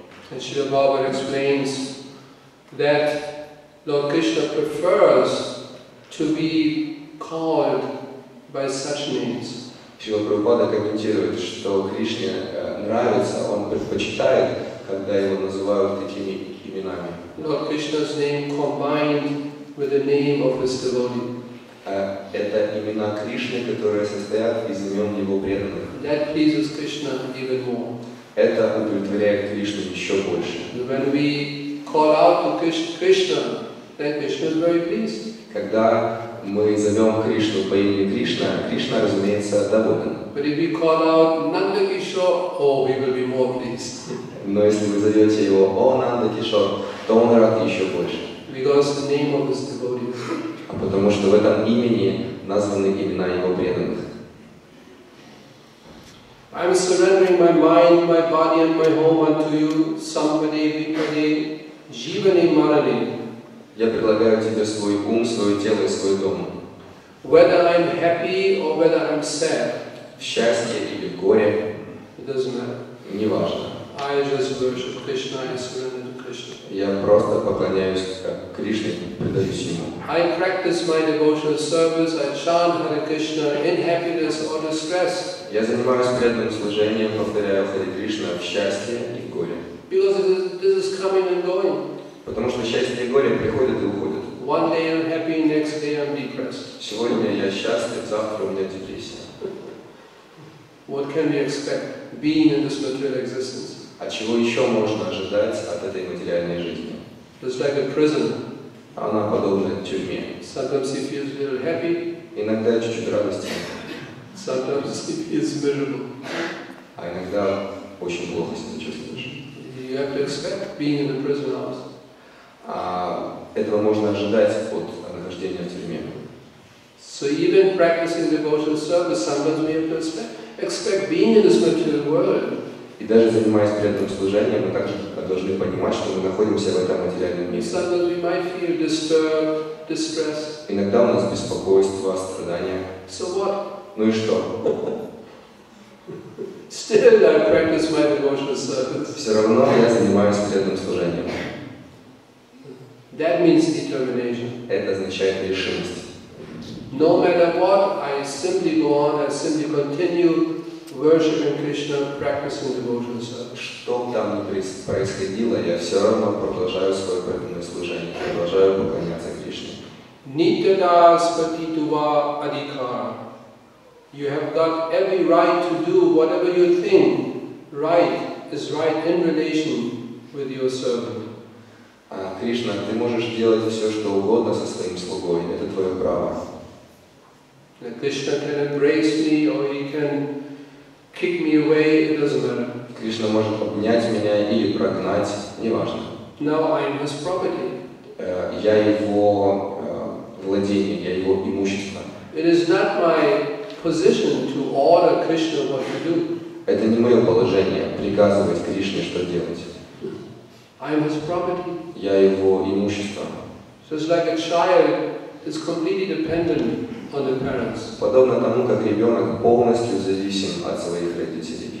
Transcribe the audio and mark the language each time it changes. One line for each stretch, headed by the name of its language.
English: And Шрила Бхагавад explains that Lord Krishna prefers to be called by such names.
Russian: Шрила Прабхупада комментирует, что Кришне нравится, он предпочитает, когда его называют такими именами.
English: Lord Krishna's name combined with the name of his devotee.
Russian: Это имена Кришны, которые состоят из имен его преданных.
English: That pleases Krishna even more.
Russian: Это удовлетворяет Кришну еще больше.
English: When we call out to Krishna, then Krishna is very pleased.
Russian: Когда мы зовем Кришну по имени Кришна, Кришна, разумеется, доволен.
English: But if we call out Нандакишо, oh, he will be more pleased.
Russian: Но если вы зовете его, о, Нандакишо, то он рад еще больше.
English: Because the name of his devotee.
Russian: А потому что в этом имени названы имена его преданных.
English: I'm surrendering my mind, my body and my home unto you, somebody,
Bangla: Vipade, Jivani Marani.
Russian: Я предлагаю тебе свой ум, свое тело и свой дом.
English: Whether I'm happy or whether I'm sad.
Russian: Счастье или горе.
English: It doesn't matter.
Russian: Не важно.
English: I just worship Krishna, I surrender to Krishna.
Russian: Я просто поклоняюсь Кришне, предаюсь ему.
English: I practice my devotional service, I chant Hare Krishna in happiness or distress.
Russian: Я занимаюсь преданным служением, повторяю Хари Кришна в счастье и в горе.
English: Because this is coming and going.
Russian: Потому что счастье и горе приходят и уходят.
English: One day I'm happy, next day I'm depressed.
Russian: Сегодня я счастлив, завтра у меня депрессия.
English: What can we expect being in this material existence?
Russian: А чего еще можно ожидать от этой материальной жизни?
English: It's like a prison.
Russian: Она подобна тюрьме.
English: Sometimes it feels a little happy.
Russian: Иногда чуть-чуть радости.
English: Sometimes it feels miserable.
Russian: А иногда очень плохо себя чувствуешь.
English: You have to expect being in the prison house.
Russian: А этого можно ожидать от нахождения в тюрьме.
English: So even practicing devotional service, sometimes we have to expect being in this material world.
Russian: И даже занимаясь преданным служением, мы также должны понимать, что мы находимся в этом материальном мире.
English: Sometimes we might feel disturbed, distressed.
Russian: Иногда у нас беспокойство, страдания.
English: So what?
Russian: Ну и что?
English: Still I practice my devotional service.
Russian: Все равно я занимаюсь преданным служением.
English: That means determination.
Russian: Это означает решимость.
English: No matter what, I simply go on, I simply continue worshiping Krishna, practicing devotional service.
Russian: Что бы там ни происходило, я все равно продолжаю свое преданное служение, продолжаю поклоняться Кришне.
Bangla: Nityadas patituva adhikara.
English: You have got every right to do whatever you think right is right in relation with your servant.
Russian: Кришна, ты можешь делать все, что угодно со своим слугой. Это твое право.
English: Krishna can embrace me or he can kick me away. It doesn't matter.
Russian: Кришна может обнять меня или прогнать. Неважно.
English: Now I'm his property.
Russian: Я его владение, я его имущество.
English: It is not my position to order Krishna what to do.
Russian: Это не мое положение приказывать Кришне, что делать.
English: I'm his property.
Russian: Я его имущество.
English: So it's like a child is completely dependent on the parents.
Russian: Подобно тому, как ребенок полностью зависим от своих родителей.